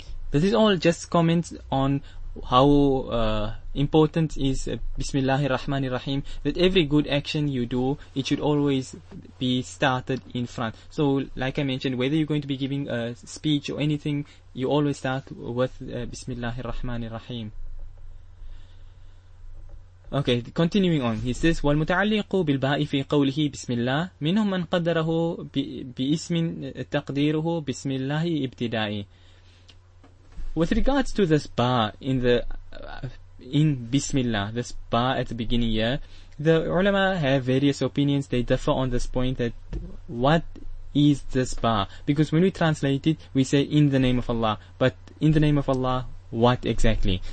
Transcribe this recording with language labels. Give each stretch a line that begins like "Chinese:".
English: This is all just comments on how important is Bismillahir Rahmanir Rahim, that every good action you do, it should always be started in front. So like I mentioned, whether you're going to be giving a speech or anything, you always start with Bismillahir Rahmanir Rahim. Okay, continuing on, he says,
Arabic: وَالْمُتَعَلِّقُ بِالْبَاءِ فِي قَوْلِهِ بِسْمِ اللَّهِ مِنْهُمْ مَنْ قَدَّرَهُ بِإِسْمٍ تَقْدِيرُهُ بِسْمِ اللَّهِ إِبْتِدَائِ.
English: With regards to this ba in Bismillah, this ba at the beginning here, the ulama have various opinions. They differ on this point, that what is this ba? Because when we translate it, we say in the name of Allah. But in the name of Allah, what exactly?